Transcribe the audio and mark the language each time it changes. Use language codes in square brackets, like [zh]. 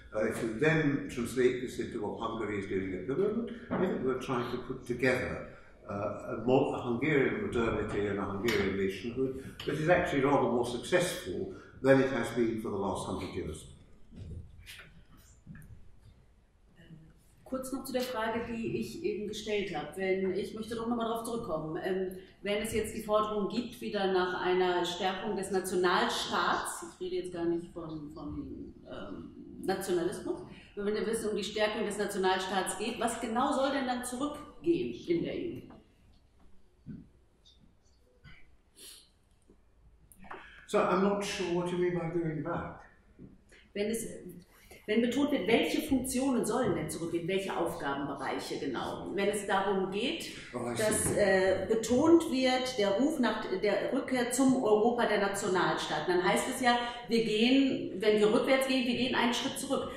[en] If you then translate this into what Hungary is doing at the moment, we're trying to put together a Hungarian modernity and a Hungarian nationhood that is actually rather more successful than it has been for the last 100 years. [de] Kurz noch zu der Frage, die ich eben gestellt habe. Wenn ich möchte doch nochmal darauf zurückkommen. Wenn es jetzt die Forderung gibt, wieder nach einer Stärkung des Nationalstaats, ich rede jetzt gar nicht von Nationalismus, wenn wir wissen, um die Stärkung des Nationalstaats geht, was genau soll denn dann zurückgehen in der EU? [en] So, I'm not sure what you mean by going back. [de] Wenn betont wird, welche Funktionen sollen denn zurückgehen, welche Aufgabenbereiche genau, wenn es darum geht, dass betont wird, der Ruf nach der Rückkehr zum Europa der Nationalstaaten, dann heißt es ja, wenn wir rückwärts gehen, wir gehen einen Schritt zurück.